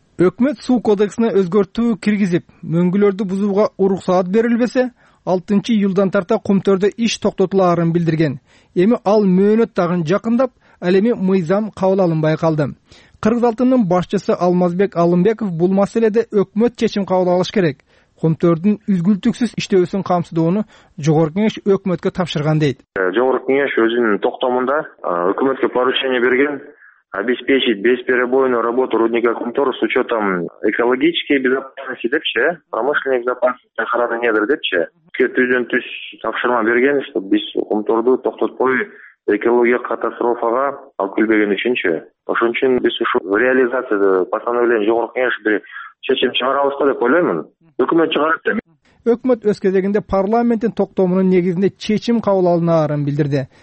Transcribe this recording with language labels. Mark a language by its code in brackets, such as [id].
[ky] Өкмөт суу кодексине өзгөртүү киргизип, мөңгүлөрдү бузууга уруксаат берилбесе, 6 июлдан тарта кумтөрдө иш токтотуларын билдирген. Эми ал мөөнөт дагы жакындап, ал эми мыйзам кабыл алынбай калды. Кыргыз алтынын башчысы Алмазбек Алымбеков бул маселеде өкмөт чечим кабыл алыш керек. Кумтөрдүн үзгүлтүксүз иштөөсүн камсыздоону жогорку кеңеш өкмөткө тапшырган дейт. Жогорку кеңеш өзүнүн токтомунда өкмөткө [ru] поручение берген обеспечить бесперебойную работу рудника Кумтор с учетом экологической безопасности депчи, промышленной безопасности, охраны недр депчи. [ky] Түздөн түз тапшырма берген, [ru] чтобы [ky] биз Кумторду токтотпой экологиялык катастрофага алып келбеген үчүнчү. Ошон үчүн биз ушул реализацияда постановление жогорку кеңеш бир чечим чыгарабыз деп ойлоймун. Өкмөт чыгарат да. Өкмөт өз кезегинде парламенттин токтомунун негизинде чечим кабыл алынаарын билдирди.